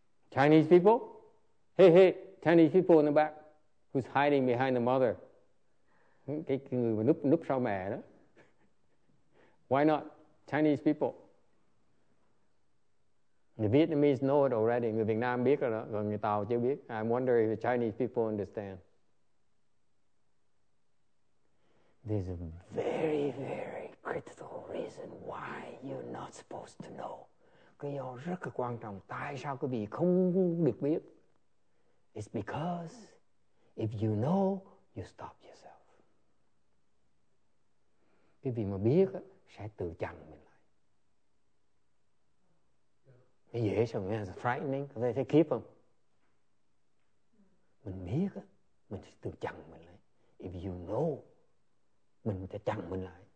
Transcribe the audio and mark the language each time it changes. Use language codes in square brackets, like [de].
[en] Chinese people? Hey, Chinese people in the back. Who's hiding behind the mother? [vi] Cái người mà núp sau mẹ đó. [en] Why not? Chinese people. The Vietnamese know it already. [vi] Người Việt Nam biết rồi đó. Người Tàu chưa biết. [en] I wonder if the Chinese people understand. There's a very, very critical reason why you're not supposed to know. [vi] Cái do rất là quan trọng. Tại sao quý vị không được biết? [en] It's because if you know, you stop yourself. [vi] Quý vị mà biết sẽ tự chặn mình lại. Cái dễ sao nghe? [en] It's frightening. [vi] Có thể keep không? Mình biết mình sẽ tự chặn mình lại. [en] If you know, [vi] mình sẽ chặn mình lại.